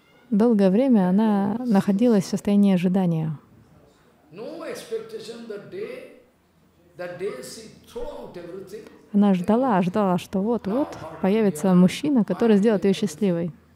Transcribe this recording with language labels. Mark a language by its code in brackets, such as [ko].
[ru] Долгое время она находилась в состоянии ожидания. [en] No expectation that day she threw out everything. [ru] Она ждала, что вот-вот появится мужчина, который сделает ее счастливой.